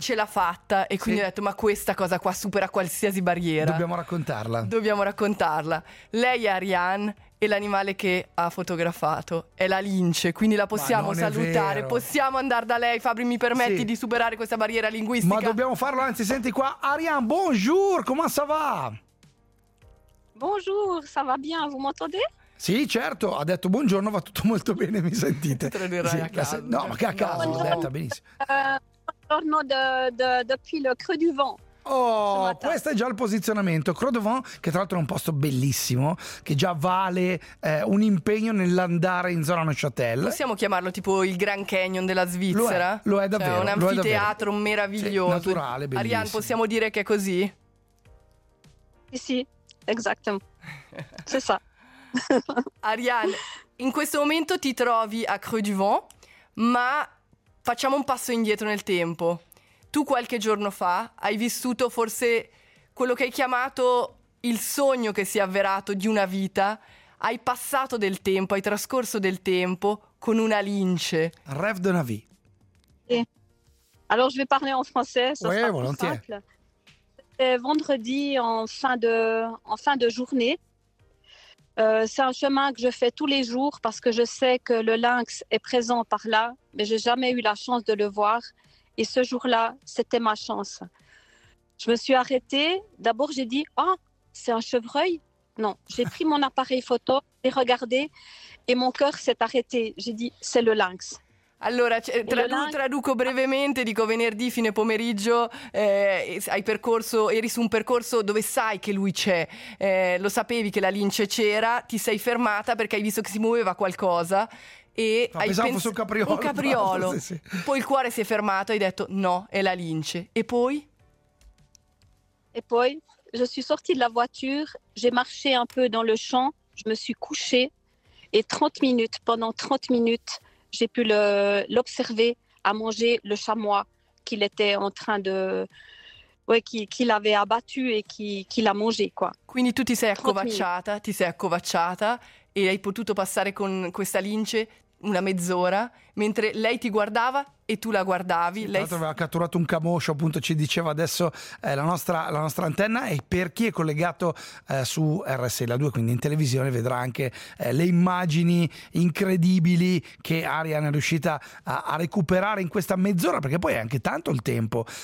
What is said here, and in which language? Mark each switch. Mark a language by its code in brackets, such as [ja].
[it] Ce l'ha fatta e quindi sì, ho detto ma questa cosa qua supera qualsiasi barriera. Dobbiamo raccontarla. Dobbiamo raccontarla. Lei è Ariane e l'animale che ha fotografato è la lince, quindi la possiamo salutare. Possiamo andare da lei, Fabri, mi permetti di superare questa barriera linguistica? Ma dobbiamo farlo, anzi senti qua, Ariane, [fr] bonjour, comment ça va? Bonjour, ça va bien, vous m'entendez? [it] Sì, certo, ha detto buongiorno, va tutto molto bene, mi sentite? Sì, a caso. No, ma che a caso, ha detto benissimo. Buongiorno [fr] depuis le Creux du Vent. [it] Oh, questo è già il posizionamento. Creux du Vent, che tra l'altro è un posto bellissimo, che già vale un impegno nell'andare in zona Neuchâtel. Possiamo chiamarlo tipo il Grand Canyon della Svizzera? Lo è davvero. Cioè, un lo anfiteatro è meraviglioso. Sì, naturale, bellissimo. Ariane, possiamo dire che è così? Sì, [fr] exactement. C'est ça. [it] Ariane, in questo momento ti trovi a Creux du Vent, ma facciamo un passo indietro nel tempo. Tu qualche giorno fa hai vissuto forse quello che hai chiamato il sogno che si è avverato di una vita. Hai passato del tempo, hai trascorso del tempo con una lince. [fr] Rêve de la vie. [it] Allora, [fr] je vais parler en français, ça sera plus simple. C'est vendredi en fin de journée. C'est un chemin que je fais tous les jours parce que je sais que le lynx est présent par là, mais je n'ai jamais eu la chance de le voir. Et ce jour-là, c'était ma chance. Je me suis arrêtée. D'abord, j'ai dit « Ah, c'est un chevreuil ?» Non, j'ai pris mon appareil photo, j'ai regardé et mon cœur s'est arrêté. J'ai dit « C'est le lynx ». [it] Allora, traduco brevemente, dico venerdì fine pomeriggio, eri su un percorso dove sai che lui c'è, lo sapevi che la lince c'era, ti sei fermata perché hai visto che si muoveva qualcosa e fosse un capriolo. Sì, sì. Poi il cuore si è fermato e hai detto no, è la lince. E poi? [fr] E poi, je suis sortie de la voiture, j'ai marché un peu dans le champ, je me suis couchée et pendant 30 minutes, j'ai pu l'observer à manger le chamois qu'il était en train de... Ouais, qu'il avait abattu et qu'il a mangé, quoi. [it] Quindi tu ti sei accovacciata e hai potuto passare con questa lince una mezz'ora mentre lei ti guardava e tu la guardavi. Sì, l'altro aveva catturato un camoscio, appunto ci diceva adesso la nostra antenna, e per chi è collegato su RSI la 2, quindi in televisione, vedrà anche le immagini incredibili che Ariane è riuscita a recuperare in questa mezz'ora, perché poi è anche tanto il tempo.